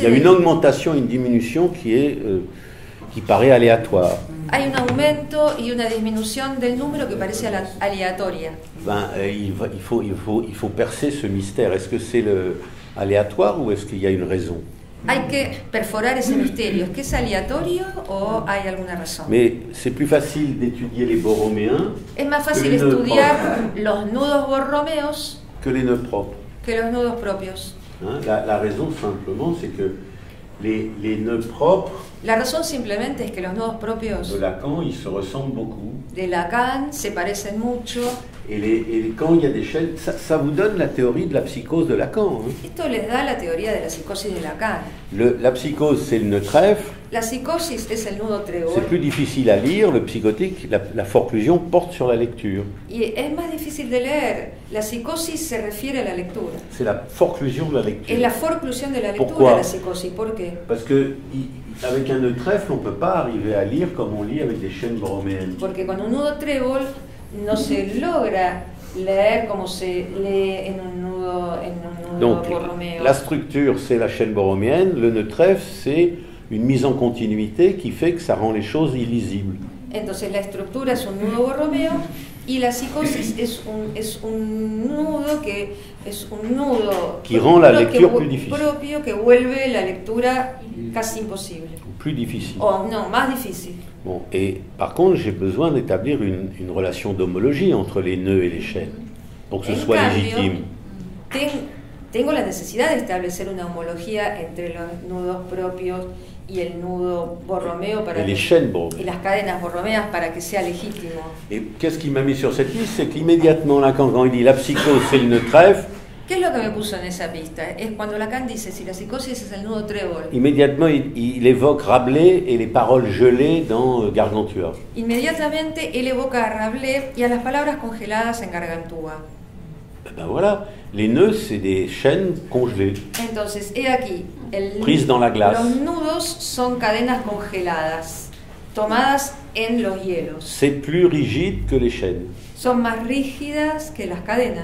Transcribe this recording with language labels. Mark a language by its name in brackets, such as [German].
[French] il y a une augmentation, une diminution qui paraît aléatoire. [Spanish] Hay un aumento y una disminución del número que parece aleatoria. [French] Ben, il faut percer ce mystère. Est-ce que c'est aléatoire ou est-ce qu'il y a une raison? [Spanish] Hay que perforar ese misterio. ¿Es que es aleatorio o hay alguna razón? [French] Mais c'est plus facile d'étudier les borroméens. [Spanish] Es más fácil estudiar los nudos borromeos [French] que les nœuds propres. [Spanish] Que los nudos propios. [French] Hein? La raison simplement, c'est que les nœuds propres. [Spanish] La razón simplemente es que los nudos propios. [French] De Lacan, ils se ressemblent beaucoup. [Spanish] De Lacan, se parecen mucho. [French] Et quand il y a des chaînes, ça vous donne la théorie de la psychose de Lacan. Hein? [Spanish] Esto les da la teoría de la psicosis de Lacan. [French] La psychose, c'est le nœud trèfle. [Spanish] La psicosis es el nudo trébol. [French] C'est plus difficile à lire, le psicotique, la forclusion porte sur la lecture. [Spanish] Y es más difícil de leer. La psicosis se refiere a la lectura. [French] C'est la forclusion de la lecture. [Spanish] Es la forclusión de la lectura. [French] Pourquoi? [Spanish] La psicosis. ¿Por qué? [French] Parce que avec un nœud trèfle, on peut pas arriver à lire comme on lit avec des chaînes borroméennes. [Spanish] Porque con un nudo trébol no se logra leer como se lee en un nudo borromeo. [French] Donc la structure, c'est la chaîne borroméenne. Le nœud trèfle, c'est une mise en continuité qui fait que ça rend les choses illisibles. [Spanish] Entonces la estructura es un nudo borromeo Y la psicosis es un nudo que es un nudo [French] qui rend la lecture plus difficile. [Spanish] Propio que vuelve la lectura casi imposible. [French] Plus difficile. [Spanish] Oh, non, más difícil. [French] Bon, et par contre, j'ai besoin d'établir une relation d'homologie entre les nœuds et les chaînes pour que ce [Spanish] en [French] soit [Spanish] cambio, [French] légitime. [Spanish] Tengo la necesidad de establecer una homología entre los nudos propios y el nudo Borromeo para [French] les chaînes Borromeo. [Spanish] Y las cadenas Borromeas para que sea legítimo. [French] Et qu'est-ce qui m'a mis sur cette piste, c'est qu'immédiatement Lacan quand il dit la psychose c'est le nœud trèfle. [Spanish] ¿Qué es lo que me puso en esa pista? Es cuando Lacan dice si la psicosis es el nudo trébol. [French] Immédiatement il évoque Rabelais et les paroles gelées dans Gargantua. [Spanish] Inmediatamente él evoca a Rabelais y a las palabras congeladas en Gargantua. [French] Ben voilà, les nœuds c'est des chaînes congelées. [Spanish] Entonces, he aquí, [French] prises dans la glace. [Spanish] Los nudos son cadenas congeladas, tomadas en los hielos. [French] C'est plus rigide que les chaînes. [Spanish] Son más rígidas que las cadenas.